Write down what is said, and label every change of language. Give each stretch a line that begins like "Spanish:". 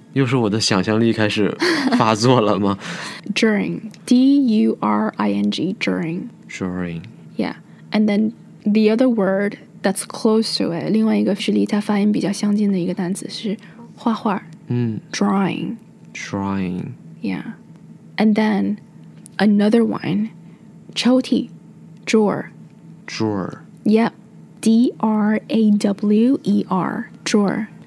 Chinese: 又是我的想象力开始发作了吗
English: During, D-U-R-I-N-G, during, during, yeah, and then the other word that's close to it.
Chinese: 另外一个是离它发音比较相近的一个单词是画画，嗯
English: ，drawing, drawing, yeah, and then. Another one, 抽屉 drawer. Drawer. Yep, D-R-A-W-E-R, drawer.